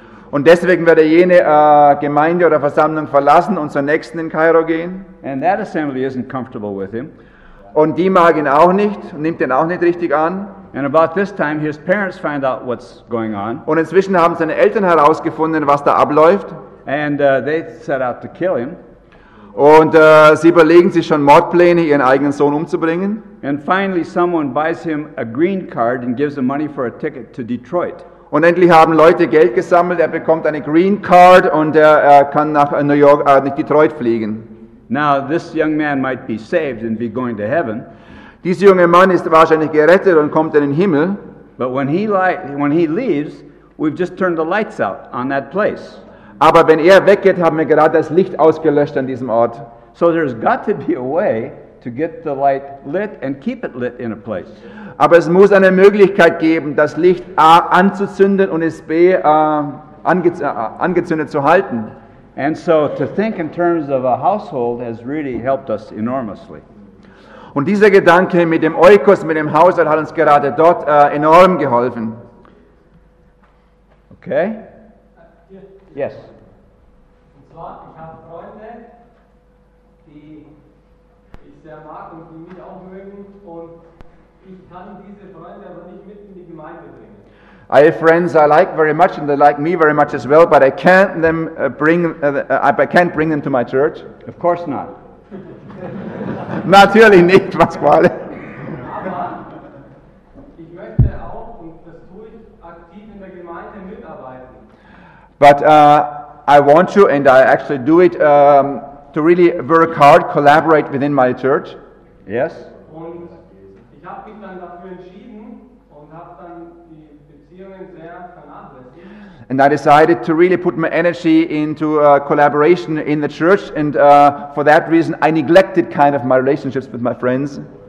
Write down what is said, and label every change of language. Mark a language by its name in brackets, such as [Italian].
[German] Und deswegen wird er jene Gemeinde oder Versammlung verlassen und zur nächsten in Kairo gehen. [English] And that assembly isn't comfortable with him. [German] Und die mag ihn auch nicht, nimmt ihn auch nicht richtig an. [English] And about this time his parents find out what's going on. [German] Und inzwischen haben seine Eltern herausgefunden, was da abläuft. [English] And they set out to kill him. [German] Und sie überlegen sich schon Mordpläne, ihren eigenen Sohn umzubringen. [English] And finally someone buys him a green card and gives him money for a ticket to Detroit. [German] Und endlich haben Leute Geld gesammelt, er bekommt eine Green Card und er kann nach New York, nach Detroit fliegen. [English] Now this young man might be saved and be going to heaven. [German] Dieser junge Mann ist wahrscheinlich gerettet und kommt in den Himmel. [English] But when he leaves, we've just turned the lights out on that place. [German] Aber wenn er weggeht, haben wir gerade das Licht ausgelöscht an diesem Ort. [English] So there's got to be a way to get the light lit and keep it lit in a place. [German] Aber es muss eine Möglichkeit geben, das Licht A anzuzünden und es B angezündet zu halten. [English] And so to think in terms of a household has really helped us enormously. [German] Und dieser Gedanke mit dem Oikos, mit dem Haushalt, hat uns gerade dort enorm geholfen. [English] Okay? Yes. [German] Und zwar, ich habe Freunde, die ich sehr mag und die mich auch mögen, und ich kann diese Freunde aber nicht mit in die Gemeinde bringen. [English] I have friends I like very much and they like me very much as well, but I can't them bring I can't bring them to my church. Of course not. [German] Natürlich nicht, Pasquale. Aber ich möchte auch, und das tue ich, aktiv in der Gemeinde mitarbeiten. [English] But I want to, and I actually do it, to really work hard, collaborate within my church. Yes. [German] Und ich habe mich dann dafür entschieden und habe dann die Beziehungen sehr vernachlässigt. [English] And I decided to really put my energy into collaboration in the church, and for that reason I neglected kind of my relationships with my friends.